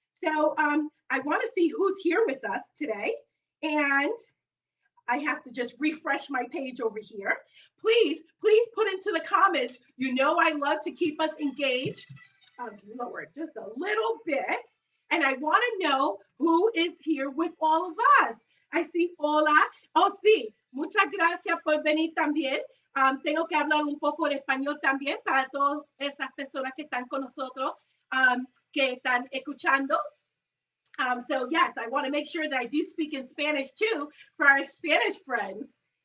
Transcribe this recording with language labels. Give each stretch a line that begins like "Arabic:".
English: So I want to see who's here with us today, and I have to just refresh my page over here. Please, please put into the comments. You know I love to keep us engaged. Lower it just a little bit. And I want to know who is here with all of us. I see
Spanish: hola. Oh, sí. Muchas gracias por venir también. Tengo que hablar un poco de español también para todas esas personas que están con nosotros, que están escuchando.
English: So, yes, I want to make sure that I do speak in Spanish, too, for our Spanish friends.